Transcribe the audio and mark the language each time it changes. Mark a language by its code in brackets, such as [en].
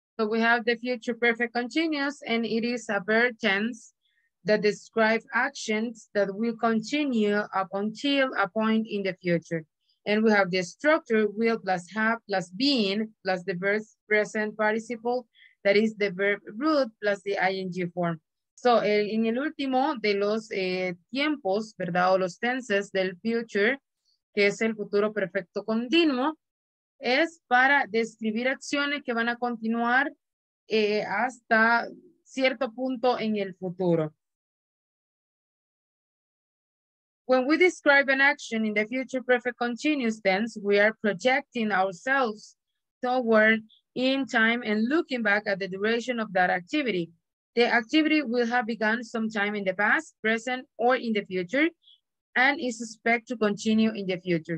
[en] we have the future perfect continuous, and it is a verb tense that describes actions that will continue up until a point in the future. And we have the structure will plus have plus been plus the verb present participle, that is the verb root plus the ing form. [es] So en el último de los tiempos, ¿verdad? O los tenses del future, que es el futuro perfecto continuo, es para describir acciones que van a continuar hasta cierto punto en el futuro. [en] When we describe an action in the future perfect continuous tense, we are projecting ourselves toward in time and looking back at the duration of that activity. The activity will have begun sometime in the past, present, or in the future, and is expected to continue in the future.